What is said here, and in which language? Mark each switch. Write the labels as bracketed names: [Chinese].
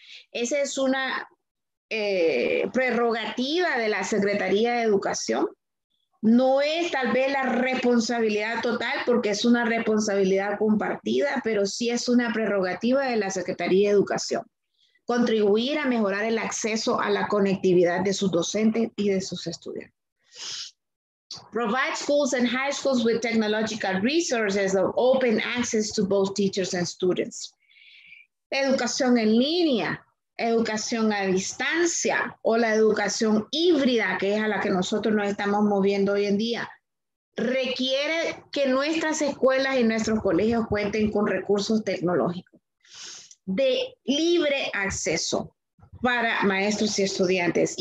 [Spanish] Esa es una prerrogativa de la Secretaría de Educación. No es tal vez la responsabilidad total, porque es una responsabilidad compartida, pero sí es una prerrogativa de la Secretaría de Educación. Contribuir a mejorar el acceso a la conectividad de sus docentes y de sus estudiantes. [English] Provide schools and high schools with technological resources of open access to both teachers and students. [Spanish] Educación en línea, educación a distancia o la educación híbrida, que es a la que nosotros nos estamos moviendo hoy en día, requiere que nuestras escuelas y nuestros colegios cuenten con recursos tecnológicos de libre acceso para maestros y estudiantes.